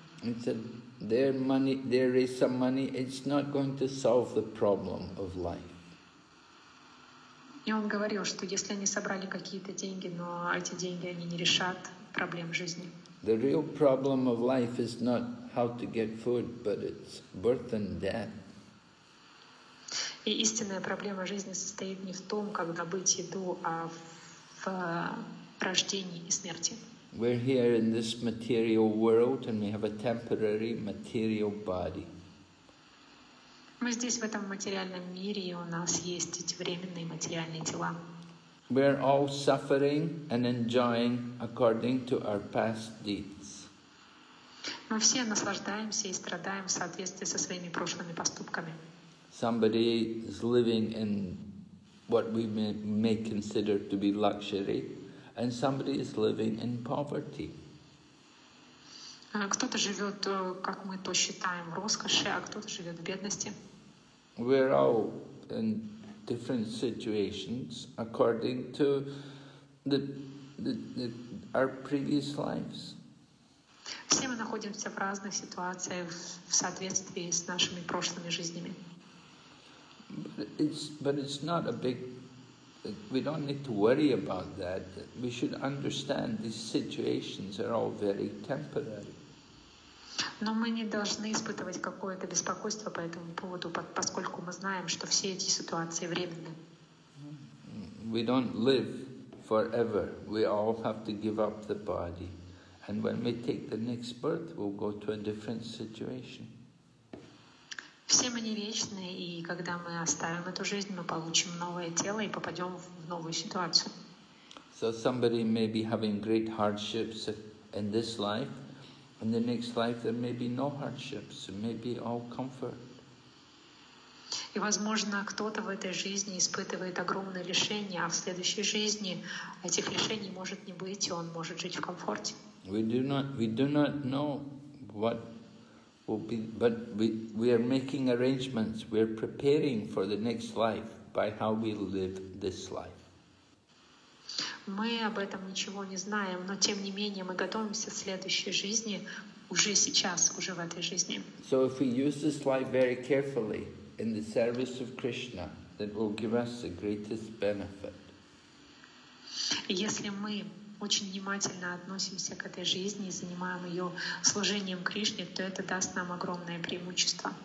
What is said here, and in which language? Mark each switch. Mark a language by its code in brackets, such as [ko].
[en] It said, their money, they raise some money, it's not going to solve the problem of life. [ru] И он говорил, что если они собрали какие-то деньги, но эти деньги они не решат проблем жизни. [en] The real problem of life is not how to get food, but it's birth and death. [ru] И истинная проблема жизни состоит не в том, как добыть еду, а в рождении и смерти. [en] We're here in this material world, and we have a temporary material body. [ru] Мы здесь в этом материальном мире, и у нас есть эти временные материальные тела. [en] We are all suffering and enjoying according to our past deeds. [ru] Мы все наслаждаемся и страдаем в соответствии со своими прошлыми поступками. [en] Somebody is living in what we may consider to be luxury, and somebody is living in poverty. [ru] Кто-то живет, как мы то считаем, в роскоши, а кто-то живет в бедности. [en] We're all in different situations according to the our previous lives. [ru] Все мы находимся в разных ситуациях в соответствии с нашими прошлыми жизнями. [en] But it's not a big. We don't need to worry about that. We should understand these situations are all very temporary. [ru] Но мы не должны испытывать какое-то беспокойство по этому поводу, поскольку мы знаем, что все эти ситуации временны. [en] We don't live forever. We all have to give up the body. And when we take the next birth, we'll go to a different situation. [ru] Все мы не вечны, и когда мы оставим эту жизнь, мы получим новое тело и попадем в новую ситуацию. [en] So somebody may be having great hardships in this life. In the next life, there may be no hardships, maybe all comfort. [ru] И возможно, кто-то в этой жизни испытывает огромное лишение, а в следующей жизни этих лишений может не быть, и он может жить в комфорте. [en] We do not know what will be, but we are making arrangements. We are preparing for the next life by how we live this life. [ru] Мы об этом ничего не знаем, но тем не менее мы готовимся к следующей жизни уже сейчас, уже в этой жизни. [en] So if we use this life very carefully in the service of Krishna, that will give us the greatest benefit. [ru] Если мы очень внимательно относимся к этой жизни и занимаем ее служением Кришне, то это даст нам огромное преимущество.